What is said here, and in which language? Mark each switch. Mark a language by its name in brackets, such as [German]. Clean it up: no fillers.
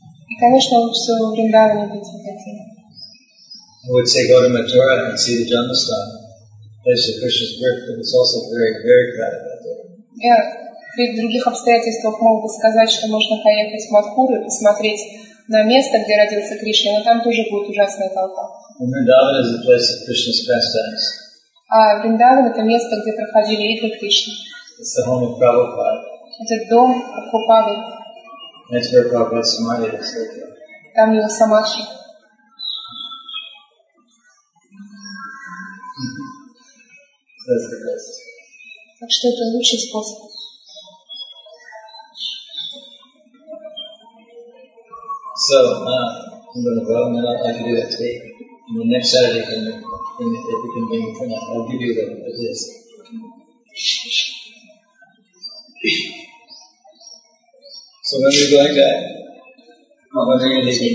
[Russian] И, конечно, лучше всего в Вриндаване быть в этой. [English] I would say go to Mathura and see the Janmastan. Place of Krishna's birth, but it's also very, very crowded out there. [Russian] Я при других обстоятельствах мог бы сказать, что можно поехать в Матхуру и посмотреть на место, где родился Кришна, но там тоже будет ужасная толпа. [English] Vrindavan is the place of Krishna's pastimes. [Russian] А Вриндаван — это место, где проходили игры Кришны. [English] It's the home of Prabhupada. [Russian] Это дом Прабхупады. [English] That's where Prabhupada's samadhi is located. [Russian] Там его самадхи. [English] That's the best. [Russian] Так что это лучший способ. [English] So, I'm going to go, and then I can do that today. And then next Saturday, if you can bring it for now, I'll give you the list. So when are you going back? Oh, when are you leaving?